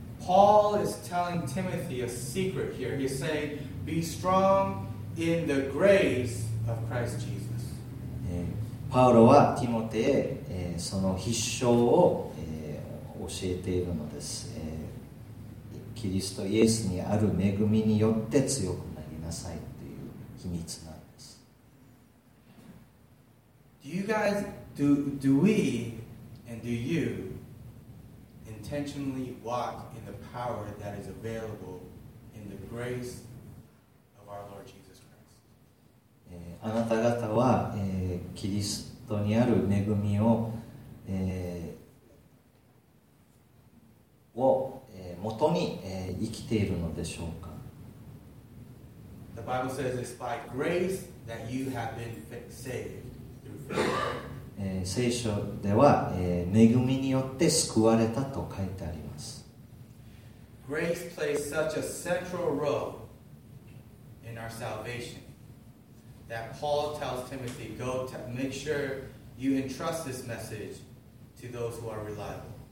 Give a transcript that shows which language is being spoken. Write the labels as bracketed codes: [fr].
[en] Paul is telling Timothy a secret here. He's saying, "Be strong in the grace of Christ Jesus." [ja] パウロはティモテへ、その必勝を、教えているのです、キリストイエスにある恵みによって強くなりなさいという秘密なんです。 [en] Do we and do you intentionally walk in the power that is available in the grace of our Lord Jesus Christ? [ja] あなた方は、キリストにある恵みを、元に、生きているのでしょうか? [en] The Bible says it's by grace that you have been saved through faith. [ja] 聖書では、恵みによって救われたと書いてあります。 [en] Grace plays such a central role in our salvation that Paul tells Timothy, go to make sure you entrust this message to those who are reliable.